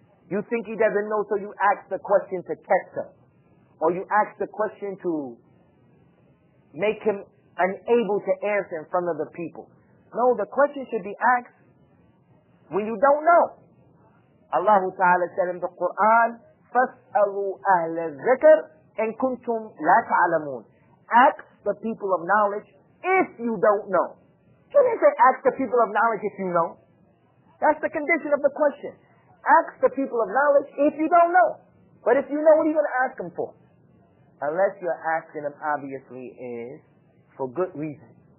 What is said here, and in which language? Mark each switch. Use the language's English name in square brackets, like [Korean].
[English] You think he doesn't know, so you ask the question to test him. Or you ask the question to make him unable to answer in front of the people. No, the question should be asked when you don't know. Allah Ta'ala said in the Quran, [Arabic] فَاسْأَلُوا أَهْلَ الذِّكْرِ إِن كُنْتُمْ لَا تَعْلَمُونَ. [English] Ask the people of knowledge if you don't know. You didn't say ask the people of knowledge if you know. That's the condition of the question. Ask the people of knowledge if you don't know. But if you know, what are you going to ask them for? Unless you're asking them, obviously, is for good reason.